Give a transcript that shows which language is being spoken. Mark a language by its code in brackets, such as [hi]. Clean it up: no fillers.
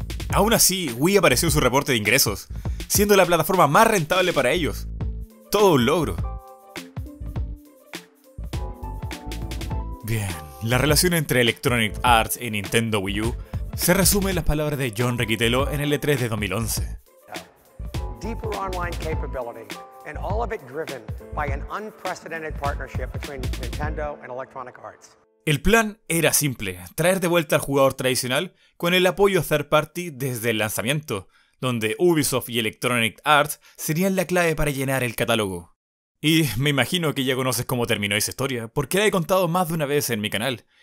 [es] Aún así, Wii apareció en su reporte de ingresos, siendo la plataforma más rentable para ellos. Todo un logro. Bien, la relación entre Electronic Arts y Nintendo Wii U se resume en las palabras de John Riquitello en el E3 de 2011. [en] Deeper online capability. And all of it driven by an unprecedented partnership between Nintendo and Electronic Arts. [es] El plan era simple, traer de vuelta al jugador tradicional con el apoyo third party desde el lanzamiento, donde Ubisoft y Electronic Arts serían la clave para llenar el catálogo. Y me imagino que ya conoces cómo terminó esa historia, porque la he contado más de una vez en mi canal.